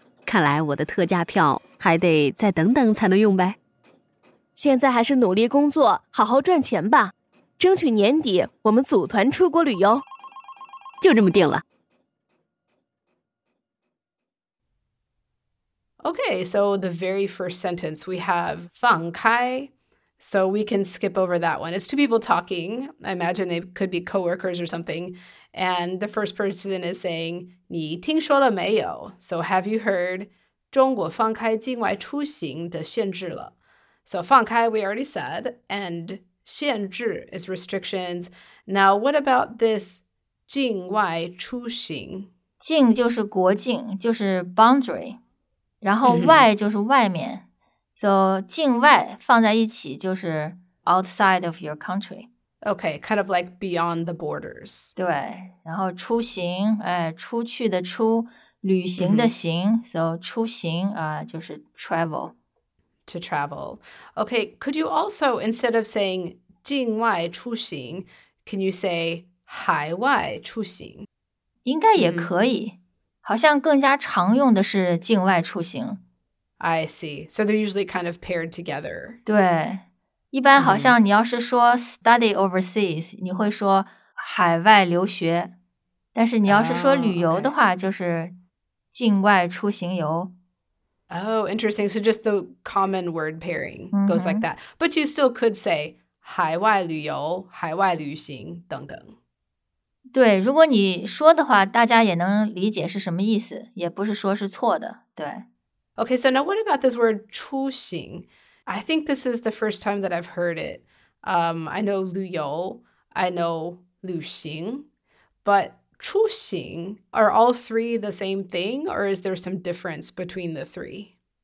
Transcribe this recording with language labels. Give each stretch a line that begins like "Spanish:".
Chinese: 看来我的特价票还得再等等才能用呗。现在还是努力工作，好好赚钱吧。争取年底我们组团出国旅游。就这么定了。Okay,
English: so the very first sentence we have 放开, so we can skip over that one. It's two people talking. I imagine they could be coworkers or something. And the first person is saying
Chinese: 你听说了没有?
English: So have you heard
Chinese: 中国放开境外出行的限制了?
English: So 放开, we already said, and 限制 is restrictions. Now, what about this 境外出行?
Chinese: 境就是国境,就是 boundary. 然后外就是外面. So 境外放在一起就是
English: outside of your country. Okay, kind of like beyond the borders.
Chinese: 对,然后出行,出去的出, 旅行的行, mm-hmm. So 出行, 就是 travel.
English: To travel. Okay, could you also, instead of saying 境外出行, can you say 海外出行?
Chinese: 应该也可以，好像更加常用的是境外出行。
English: I see. So they're usually kind of paired together.
Chinese: 对，一般好像你要是说
English: study overseas,
Chinese: 你会说海外留学，但是你要是说旅游的话，就是境外出行游。
English: Oh, interesting. So just the common word pairing goes like that. But you still could say
Chinese: 海外旅游、海外旅行等等。对，如果你说的话，大家也能理解是什么意思，也不是说是错的。对。Okay,
English: so now what about this word 出行? I think this is the first time that I've heard it. I know 旅游, I know 旅行, but 出行, are all three the same thing, or is there some difference between the three?